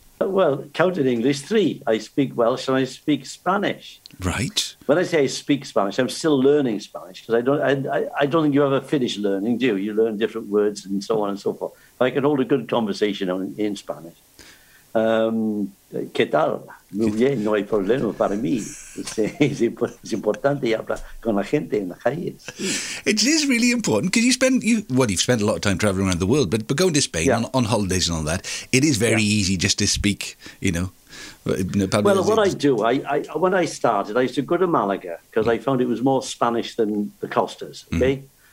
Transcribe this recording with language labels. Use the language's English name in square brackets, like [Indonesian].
[English] Well, counting English, three. I speak Welsh and I speak Spanish. Right. When I say I speak Spanish, I'm still learning Spanish because I don't think you ever finish learning, do you? You learn different words and so on and so forth. I can hold a good conversation in Spanish. [Spanish] ¿Qué tal? Muy bien, no hay problema para mí. Es importante hablar con la gente en la calle. [English] It is really important because you've spent a lot of time traveling around the world, but going to Spain on holidays and all that, it is very easy just to speak, you know. Well, what I do, I when I started, I used to go to Malaga because I found it was more Spanish than the Costas, okay? Mm.